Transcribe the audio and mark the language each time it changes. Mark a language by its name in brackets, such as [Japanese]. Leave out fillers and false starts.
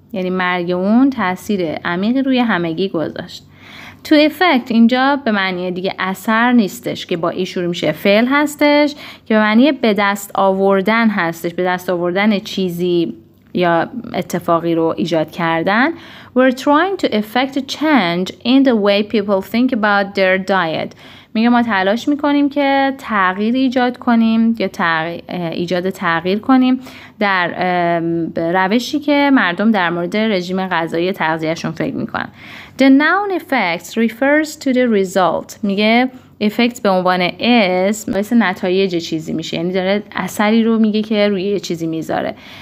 [Persian] یعنی مرگ اون تأثیر عمیقی روی همگی گذاشت. [English] To effect [Persian] اینجا به معنی دیگه اثر نیستش که با ای شروع میشه، فعل هستش که به معنی به دست آوردن هستش، به دست آوردن چیزی یا اتفاقی رو ایجاد کردن. [English] We're trying to effect a change in the way people think about their diet. [Persian] میگه ما تلاش میکنیم که تغییر ایجاد کنیم یا ایجاد تغییر کنیم در روشی که مردم در مورد رژیم غذایی تغذیهشون فکر میکنن. [English] The noun effect refers to the result. [Persian] میگه effect به عنوان اسم باعث نتایج چیزی میشه، یعنی داره اثری رو میگه که روی چیزی میذاره.